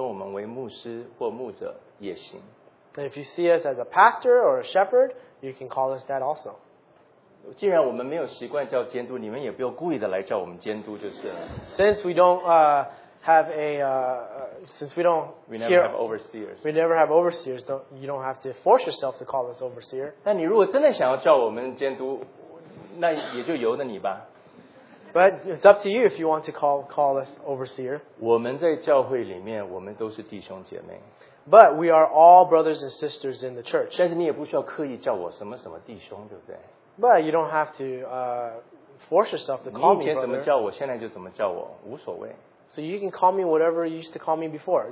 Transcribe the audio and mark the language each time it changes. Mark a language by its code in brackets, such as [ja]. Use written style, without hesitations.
[zh] 如果你们觉得我们是你的牧人，你愿意称我们为牧师或牧者也行。 [en] If you see us as a pastor or a shepherd, you can call us that also. [zh] 既然我们没有习惯叫监督，你们也不要故意的来叫我们监督就是了。 [en] Since we never have overseers, you don't have to force yourself to call us overseer. [zh] 但你如果真的想要叫我们监督，那也就由得你吧。 [en] But it's up to you if you want to call us overseer. [zh] 我们在教会里面，我们都是弟兄姐妹。 [en] But we are all brothers and sisters in the church. [zh] 但是你也不需要刻意叫我什么什么弟兄，对不对？ [en] But you don't have to force yourself to call me brother. [zh] 你以前怎么叫我，现在就怎么叫我，无所谓。 [en] So you can call me whatever you used to call me before.